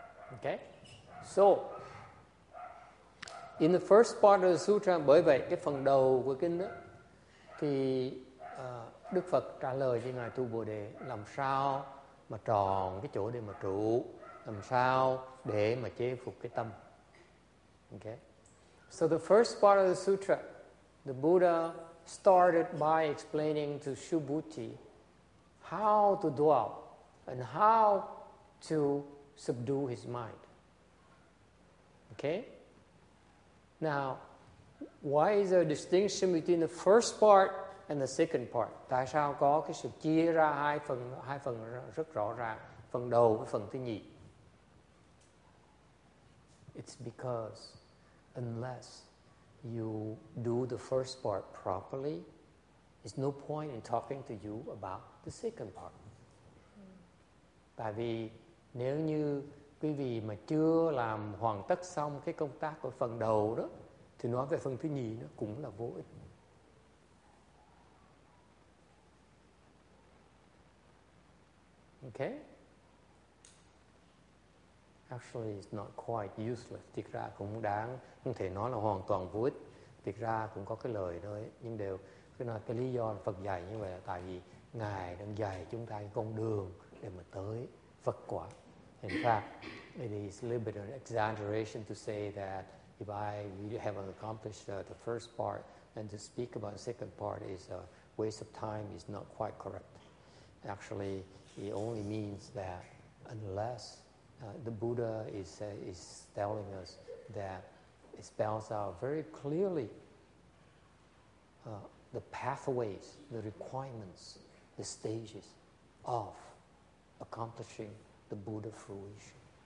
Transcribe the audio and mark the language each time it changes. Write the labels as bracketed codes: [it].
[en] Okay. So in the first part of the sutra, [vi] bởi vậy cái phần đầu của kinh đó, thì Đức Phật trả lời cho Ngài Tu Bồ Đề làm sao mà tròn cái chỗ để mà trụ, làm sao để mà chế phục cái tâm. [en] Okay. So the first part of the sutra, the Buddha started by explaining to Subhuti how to dwell and how to subdue his mind. Okay? Now, why is there a distinction between the first part and the second part? [vi] Tại sao có cái sự chia ra hai phần rất rõ ràng, phần đầu với phần thứ nhì? [en] It's because unless you do the first part properly, there's no point in talking to you about the second part. [vi] Tại vì nếu như quý vị mà chưa làm hoàn tất xong cái công tác của phần đầu đó, thì nói về phần thứ nhì nó cũng là vô ích. [en] Okay? Actually, it's not quite useless. [vi] Thực ra cũng đáng, không thể nói là hoàn toàn vô ích. Thực ra cũng có cái lời thôi. Nhưng đều, cái lý do Phật dạy như vậy là tại vì Ngài đang dạy chúng ta cái con đường để mà tới Phật quả. [en] In fact, it is a little bit of an exaggeration to say that if you haven't accomplished the first part, then to speak about the second part is a waste of time is not quite correct. Actually, it only means that unless the Buddha is telling us that it spells out very clearly the pathways, the requirements, the stages of accomplishing the Buddha fruition.